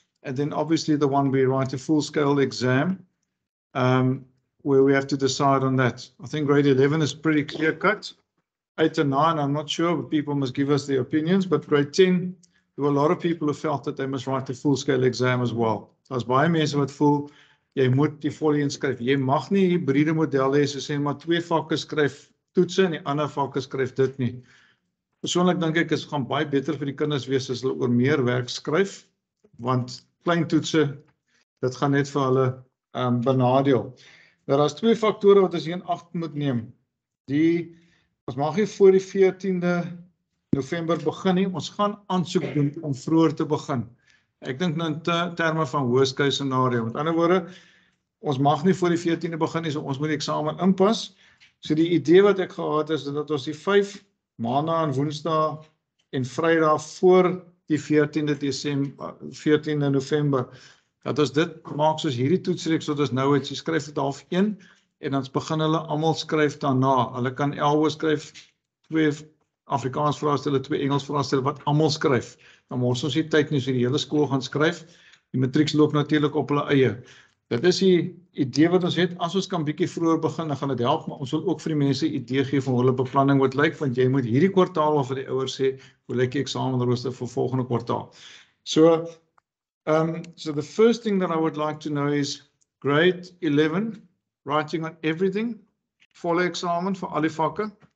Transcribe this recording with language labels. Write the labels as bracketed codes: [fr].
[en] And then obviously the one we write a full-scale exam where we have to decide on that. I think grade 11 is pretty clear-cut. 8 and 9, I'm not sure, but people must give us their opinions. But grade 10, there were a lot of people who felt that they must write the full-scale exam as well. [af] As baie mense wat voel, jy moet die volle inskryf. Jy mag nie hybride model hê, so sê maar twee vakke skryf toetse en die ander vakke skryf dit nie. Persoonlik dink ek, is gaan baie beter vir die kinders wees as hulle oor meer werk skryf, want klein toetse, dit gaan net vir hulle benadeel. Daar is twee faktore wat ons in ag moet neem. Die Ons mag nie voor die 14de November begin nie. Ons gaan aansoek doen om vroeër te begin. Ek dink nou in terme van [en] worst case scenario. [af] Met ander woorde, ons mag nie voor die 14de begin nie, so ons moet die eksamen inpas. So die idee wat ek gehad is, dat ons die 5 maandag en woensdag en vrijdag voor die 14de November, dat ons dit maak soos hierdie toetsreeks wat ons nou het. Jy skryf dit half 1 en dan begin hulle allemaal skryf daarna. Hulle kan elwe skryf 2 Afrikaans vraagstelle, 2 Engels vraagstelle, wat allemaal skryf. Dan moet ons die tyd nie so die hele skool gaan skryf. Die matrieks loop natuurlijk op hulle eie. Dit is die idee wat ons het. As ons kan bietjie vroeger begin, dan gaan dit help. Maar ons wil ook vir die mense idee gee van hulle beplanning wat lyk, want jy moet hierdie kwartaal of vir die ouers sê, hoe lyk die eksamenrooster vir volgende kwartaal. [en] So the first thing that I would like to know is grade 11, writing on everything, [af] volle eksamen vir al die vakke.